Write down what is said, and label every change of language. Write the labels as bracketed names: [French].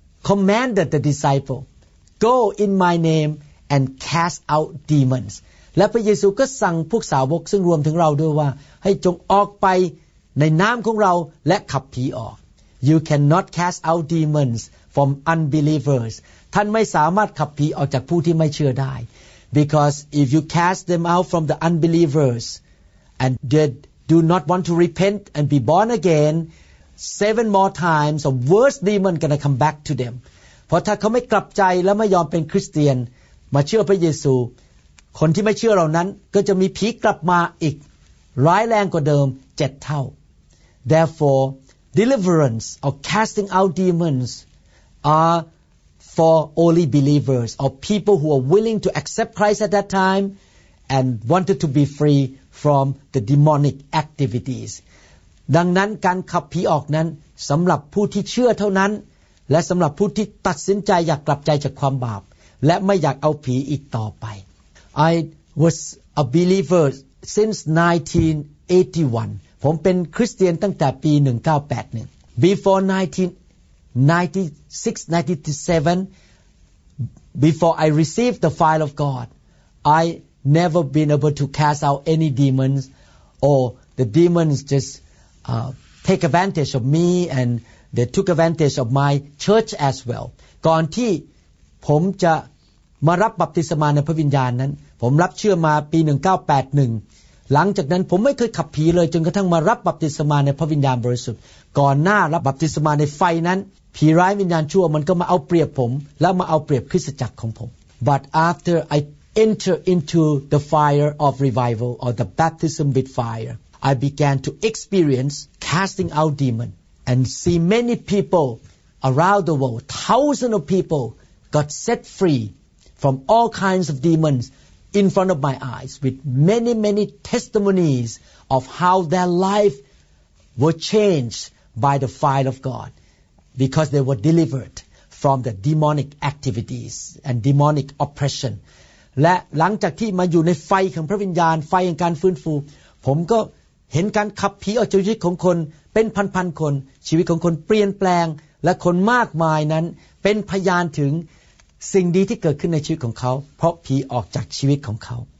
[English] commanded the disciple go in my name and cast out demons [Thai] และพระเยซูก็สั่งพวกสาวกซึ่งรวมถึงเราด้วยว่าให้จงออกไปในนามของเราและขับผีออก [English] You cannot cast out demons from unbelievers [Thai] ท่านไม่สามารถขับผีออกจากผู้ที่ไม่เชื่อได้ [English] Because if you cast them out from the unbelieversAnd they do not want to repent and be born again. Seven more times, a worse demon gonna come back to them. For if they don't turn back and don't be Christian, come to believe in Jesus, those who don't believe will have the devil come back again, more powerful than before. Therefore, deliverance or casting out demons are for only believers or people who are willing to accept Christ at that time and wanted to be free. From the demonic activities. [Thai] ดังนั้นการขับผีออกนั้นสำหรับผู้ที่เชื่อเท่านั้นและสำหรับผู้ที่ตัดสินใจอยากกลับใจจากความบาปและไม่อยากเอาผีอีกต่อไป [English] I was a believer since 1981. [Thai] ผมเป็นคริสเตียนตั้งแต่ปี1981. [English] Before 1996-97, before I received the file of God, I never been able to cast out any demons or the demons just take advantage of me and they took advantage of my church as well [Thai] ก่อนที่ผมจะมารับบัพติศมาในพระวิญญาณนั้นผมรับเชื่อมาปี1981หลังจากนั้นผมไม่เคยขับผีเลยจนกระทั่งมารับบัพติศมาในพระวิญญาณบริสุทธิ์ ก่อนหน้ารับบัพติศมาในไฟนั้นผีร้ายวิญญาณชั่วมันก็มาเอาเปรียบผมและมาเอาเปรียบคริสตจักรของผม [English] but after iEnter into the fire of revival or the baptism with fire. I began to experience casting out demons and see many people around the world, thousands of people got set free from all kinds of demons in front of my eyes with many, many testimonies of how their life were changed by the fire of God because they were delivered from the demonic activities and demonic oppression. [Thai] และหลังจากที่มาอยู่ในไฟของพระวิญญาณไฟแห่งการฟื้นฟูผมก็เห็นการขับผีออกจากชีวิตของคนเป็นพันๆคนชีวิตของคนเปลี่ยนแปลงและคนมากมายนั้นเป็นพยานถึงสิ่งดีที่เกิดขึ้นในชีวิตของเขาเพราะผีออกจากชีวิตของเขา